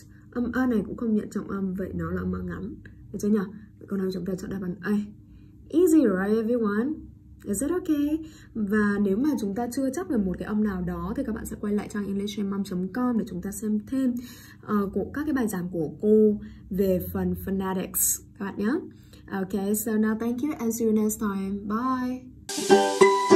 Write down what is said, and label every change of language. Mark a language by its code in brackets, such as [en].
[vi] Âm A này cũng không nhận trọng âm, vậy nó là âm A ngắn. Được chưa nhỉ? Câu nào chúng ta chọn đáp án A. [en] Easy right everyone? Is it okay? [vi] Và nếu mà chúng ta chưa chắc được một cái âm nào đó thì các bạn sẽ quay lại trang englishmom.com để chúng ta xem thêm của các cái bài giảng của cô về phần phonetics các bạn nhé. [en] Okay, so now thank you and see you next time. Bye!